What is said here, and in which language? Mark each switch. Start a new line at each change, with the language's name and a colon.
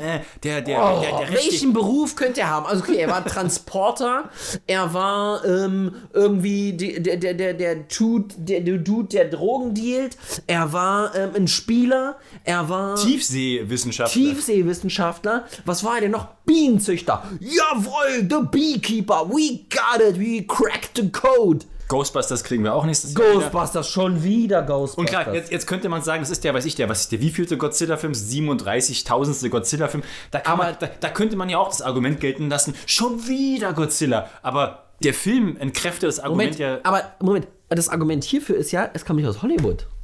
German: welchen Beruf könnte er haben? Also okay, er war Transporter, er war irgendwie der Dude, der Drogen dealt, er war ein Spieler, er war Tiefseewissenschaftler. Was war er denn noch? Bienenzüchter. Jawohl,
English: the Beekeeper, we got it, we cracked the code.
German: Ghostbusters kriegen wir auch nächstes Jahr. Schon wieder Ghostbusters. Und klar, jetzt könnte man sagen, das ist der wievielte Godzilla-Film? 37.000. Godzilla-Film. Da könnte man ja auch das Argument gelten lassen, schon wieder Godzilla. Aber der Film entkräftet das Argument ja. Moment, das Argument hierfür ist ja, es kam nicht aus Hollywood.